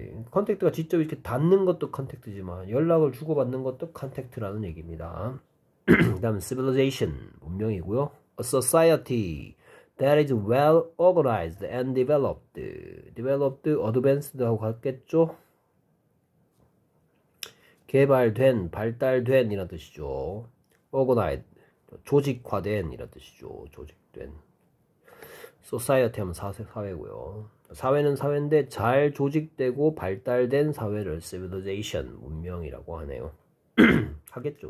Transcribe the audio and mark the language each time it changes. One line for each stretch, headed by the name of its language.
Korean: 컨택트가 직접 이렇게 닿는 것도 컨택트지만 연락을 주고받는 것도 컨택트라는 얘기입니다. 그 다음 civilization 문명이고요.
English: A society that is well organized and developed, advanced
Korean: 라고 같겠죠? 개발된, 발달된 이란 뜻이죠. organized, 조직화된 이란 뜻이죠. 조직된. society 하면 사회고요. 사회는 사회인데 잘 조직되고 발달된 사회를 civilization 문명이라고 하네요. 하겠죠.